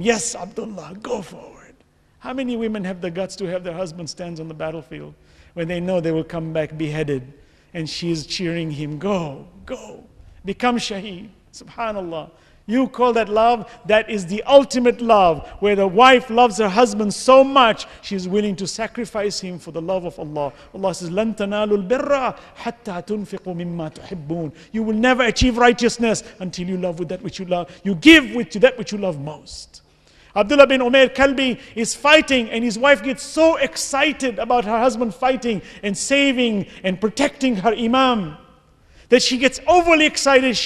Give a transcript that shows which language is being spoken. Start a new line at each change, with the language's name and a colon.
English: Yes, Abdullah, go forward. How many women have the guts to have their husband stand on the battlefield when they know they will come back beheaded? And she is cheering him, go, go, become shaheed, subhanallah. You call that love? That is the ultimate love, where the wife loves her husband so much, she is willing to sacrifice him for the love of Allah.
Arabic: Allah says, لَن تَنَالُوا الْبِرَّ حَتَّى تُنْفِقُوا مِمَّا تُحِبُّونَ.
English: You will never achieve righteousness until you love with that which you love. You give with that which you love most. Abdullah bin Umair Kalbi is fighting and his wife gets so excited about her husband fighting and saving and protecting her Imam that she gets overly excited.